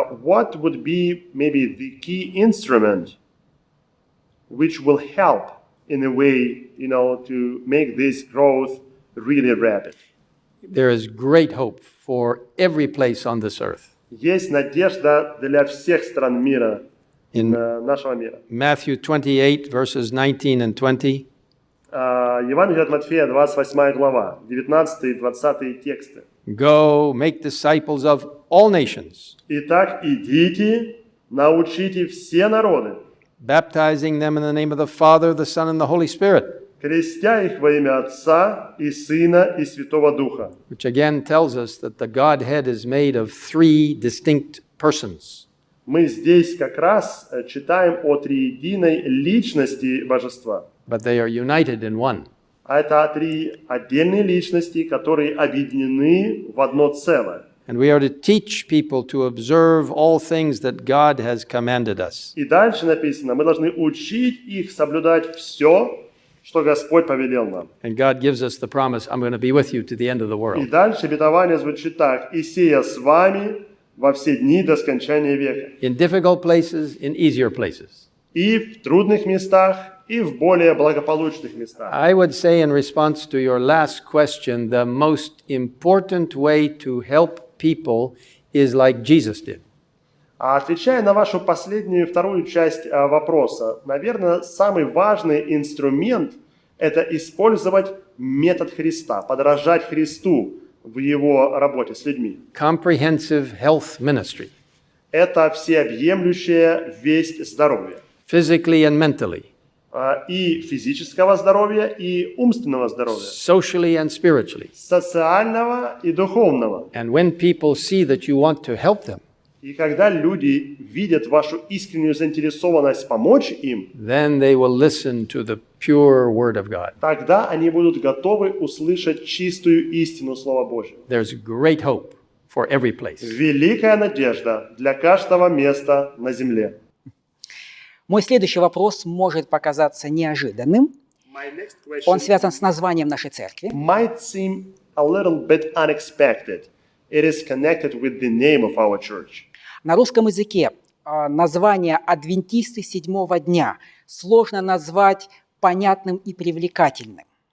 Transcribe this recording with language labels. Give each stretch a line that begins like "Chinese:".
English: What would be maybe the key instrument which will help in a way, you know, to make this growth really rapid? There is great hope for every place on this earth.
Russian: Есть надежда для всех стран мира, in нашего мира.
English: Matthew 28, verses 19 and 20.
Russian: Евангелие от Матфея, 28 глава, 19 и 20 тексты.
English: Go, make disciples of all nations.
Russian: Итак, идите, научите все народы.
English: Baptizing them in the name of the Father, the Son, and the Holy Spirit.
Russian: Крестя их во имя Отца и Сына и Святого Духа.
English: Which again tells us that the Godhead is made of three distinct persons.
Russian: Мы здесь как раз читаем о триединой личности Божества.
English: But they are united in one.
Russian: А это три отдельные личности, которые объединены в одно целое.
English: And we are to teach people to observe all things that God has commanded us.
Russian: И дальше написано, мы должны учить их соблюдать все, что Господь повелел нам.
English: And God gives us the promise, I'm going to be with you to the end of the world.
Russian: И дальше обетование звучит так: и сия с вами во все дни до скончания века.
English: In difficult places, in easier places.
Russian: И в трудных местах, и в более благополучных местах.
English: I would say in response to your last question, the most important way to help people is like Jesus did.
Russian: А отвечая на вашу последнюю и вторую часть вопроса, наверное, самый важный инструмент – это использовать метод Христа, подражать Христу в его работе с людьми.
English: Comprehensive health ministry.
Russian: Это всеобъемлющая весть здоровья.
English: Physically and mentally.
Russian: И физического здоровья, и умственного здоровья.
English: Socially and spiritually.
Russian: Социального и духовного.
English: And when people see that you want to help them,
Russian: и когда люди видят вашу искреннюю заинтересованность помочь им,
English: then they will listen to the pure word of God.
Russian: Тогда они будут готовы услышать чистую истину Слова Божьего.
English: There's great hope for every place.
Russian: Великая надежда для каждого места на земле. Мой следующий вопрос может показаться неожиданным. Он связан с названием нашей церкви.
English: Might seem a little bit unexpected. It is connected with the name of our church.
Russian: На русском языке название «Адвентисты седьмого дня» сложно назвать понятным и привлекательным.